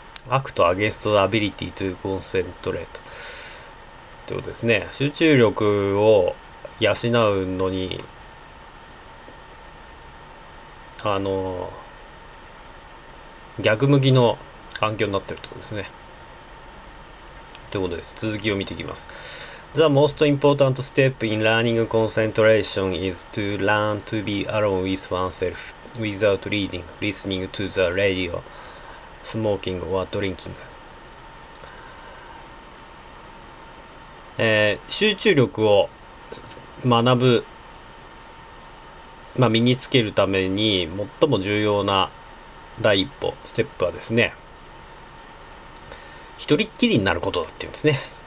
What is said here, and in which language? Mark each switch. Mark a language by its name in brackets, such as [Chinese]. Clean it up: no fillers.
[English] アクトアゲンストアビリティトゥコンセントレート [Japanese] ってことですね。集中力を養うのに、逆向きの環境になってるってことですね。ということです。続きを見ていきます。 [English] The most important step in learning concentration is to learn to be alone with oneself without reading, listening to the radio, smoking or drinking. [Japanese] 集中力を学ぶ、身につけるために最も重要な第一歩、ステップはですね、一人っきりになることだっていうんですね。